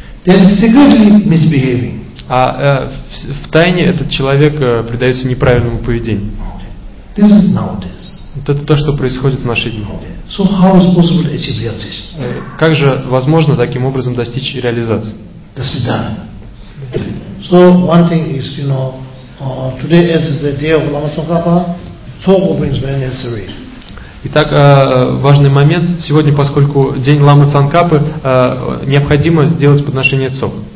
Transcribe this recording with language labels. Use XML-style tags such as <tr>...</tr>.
<en>Then secretly misbehaving.</en> <ru>В тайне этот человек предается неправильному поведению.</ru> <en>Okay. This is nowadays.</en> <ru>Вот это то, что происходит в наши дни.</ru> <en>Okay. So how is possible to achieve realization?</en> <ru>Как же возможно таким образом достичь реализации? До свидания.</ru> <en>So one thing is, you know, today is the day of Lama Tsongkhapa. Talk openings very necessary.</en> <ru>Итак, важный момент. Сегодня, поскольку день Лама Цанкапы, необходимо сделать подношение цок.</ru>